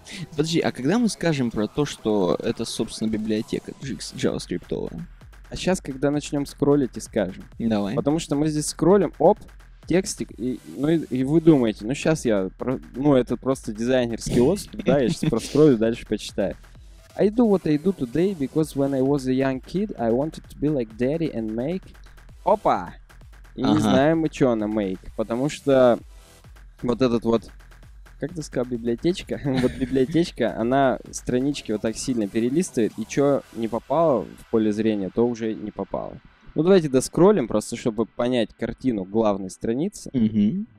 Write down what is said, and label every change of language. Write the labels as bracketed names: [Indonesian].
[Russian] Подожди, а когда мы скажем про то, что это, собственно, библиотека джаваскриптовая? А сейчас, когда начнем скроллить и скажем. Давай. Потому что мы здесь скроллим, оп, текстик, и вы думаете, ну сейчас я, это просто дизайнерский отступ, да, я сейчас проскроллю, дальше почитаю. [English] I do what I do today, because when I was a young kid, I wanted to be like daddy and make... [Russian] Опа! И не знаем мы, что она make, потому что вот этот вот... Как ты сказал, библиотечка? Вот библиотечка, она странички вот так сильно перелистывает, и что не попало в поле зрения, то уже не попало. Ну, давайте доскроллим, просто чтобы понять картину главной страницы.